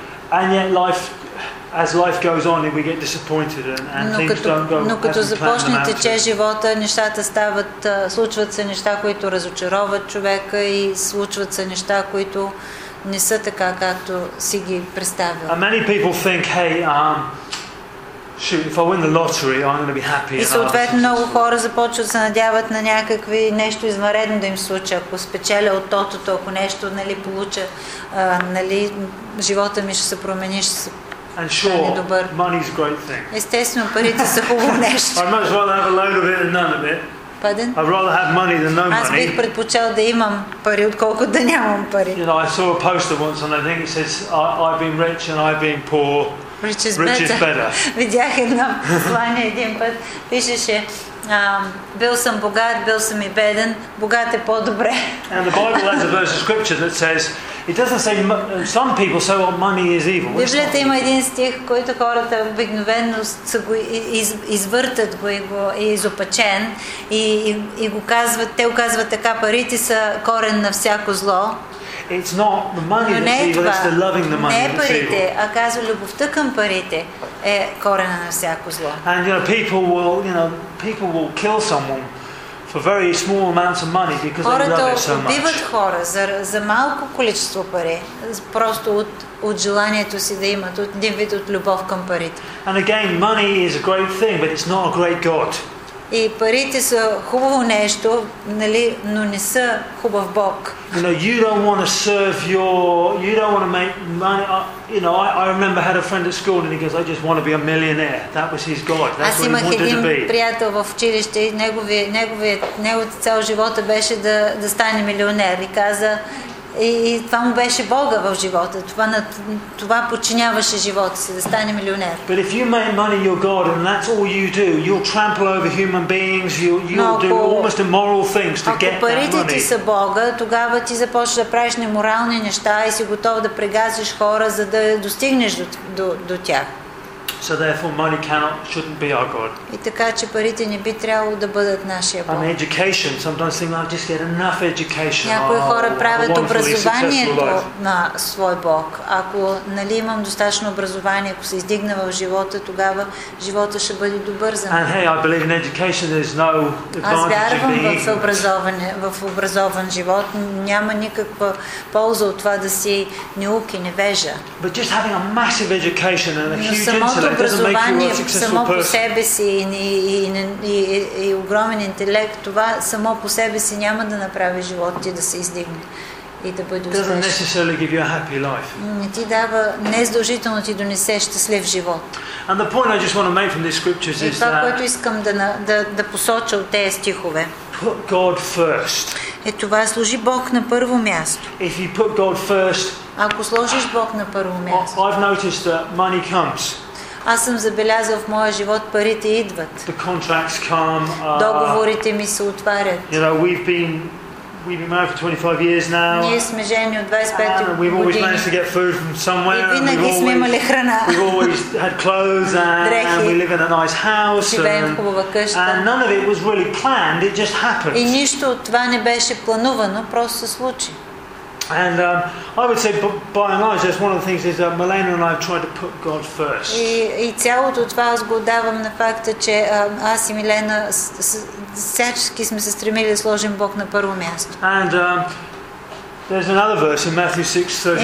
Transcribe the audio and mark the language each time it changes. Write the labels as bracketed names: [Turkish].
[English] And yet life, as life goes on, we get disappointed and things don't go as planned. [Bulgarian] Но като започне тече живота, нещата стават, случват се неща, които разочароват човека и случват се неща, които не са така, както си ги представил. [English] And many people think, hey, if I win the lottery, I'm going to be happy. [Bulgarian] И съответно много хора започват се надяват на някакви нещо извънредно да им случи, ако спечеля от тотото, ако нещо, нали, получа, нали, живота ми ще се промени, ще се [English] And sure, [Bulgarian] добър. [English] Money's a great thing. [Bulgarian] Естествено, парите са хубаво нещо. [English] I'd much rather have a load of it than none of it. Pardon? I'd rather have money than no money. [Bulgarian] Аз бих предпочел да имам пари, отколкото да нямам пари. [English] You know, I saw a poster once and I think it says, I've been rich and I've been poor. Rich is better. [Bulgarian] Видях едно послание един път. Пишеше, бил съм богат, бил съм и беден, богат е по-добре. [English] And the Bible has a verse of scripture that says, it doesn't say some people say, well, money is evil. [Bulgarian] Библията има един стих, който хората обикновено го извъртат го и го изопачен и го казват, те казват така, парите са корен на всяко зло. [English] It's not the money that's evil, [Bulgarian] това, [English] it's the loving the money [Bulgarian] не [English] that's [Bulgarian] парите, [English] evil. [Bulgarian] А казва, любовта към парите е корена на всяко зло. [English] And you know, people will kill someone for very small amounts of money because [Bulgarian] хората [English] they love it so much. [Bulgarian] Убиват хора за малко количество пари, просто от желанието си да имат, от един вид от любов към парите. [English] And again, money is a great thing, but it's not a great God. [Bulgarian] И парите са хубаво нещо, нали, но не са хубав Бог. [English] You know, you don't want to serve your, you don't want to make money. You know, I remember had a friend at school and he goes, I just want to be a millionaire. That was his God. That's what he wanted to be. [Bulgarian] Аз имах един приятел в училище и неговият цял живот беше да стане милионер. И каза, и това му беше Бога в живота. Това подчиняваше живота си, да стане милионер. [English] But if you make money your God and that's all you do, you'll trample over human beings, you'll do almost immoral things to get that money. [Bulgarian] Ако парите ти са Бога, тогава ти започваш да правиш неморални неща и си готов да прегазиш хора, за да достигнеш до тях. [English] So therefore money cannot, shouldn't be our God. [Bulgarian] И така, че парите не би трябвало да бъдат нашия Бог. [English] And education, sometimes think, I'll just get enough education. [Bulgarian] Някои хора правят образованието на свой Бог. Ако, нали, имам достатъчно образование, ако се издигна в живота, тогава живота ще бъде добър за мен. [English] And hey, I believe in education, there's no advantage. [Bulgarian] Аз вярвам в образован живот. Няма никаква полза от това да си неуки, невежа. [English] But just having a massive education and a huge [Bulgarian] образование само по себе си и огромен интелект, това само по себе си няма да направи живота ти да се издигне и да бъде успешен. Не ти дава, не задължително ти донесе щастлив живот. [English] And the point I just want to make from these scriptures is [Bulgarian] това, което искам да посоча от тези стихове. [English] Put God first. [Bulgarian] Е, това служи Бог на първо място. [English] If you put God first. [Bulgarian] Ако сложиш Бог на първо място. [English] I've noticed that money comes. [Bulgarian] Аз съм забелязал в моя живот, парите идват. [English] The contracts come, [Bulgarian] договорите ми се отварят. [English] You know, we've been married for 25 years now. [Bulgarian] Ние сме жени от 25 години. [English] And we've always managed to get food from somewhere. [Bulgarian] И винаги сме имали храна. [English] We've always had clothes and we live in a nice house. [Bulgarian] Живеем в хубава къща. [English] And none of it was really planned, it just happened. [Bulgarian] И нищо от това не беше плановано, просто се случи. [English] And I would say by and large that's one of the things is that Milena and I have tried to put God first. [Bulgarian] И цялото това аз го давам на факта, че аз и Милена всячески сме се стремили да сложим Бог на първо място. [English] And there's another verse in Matthew 6:33.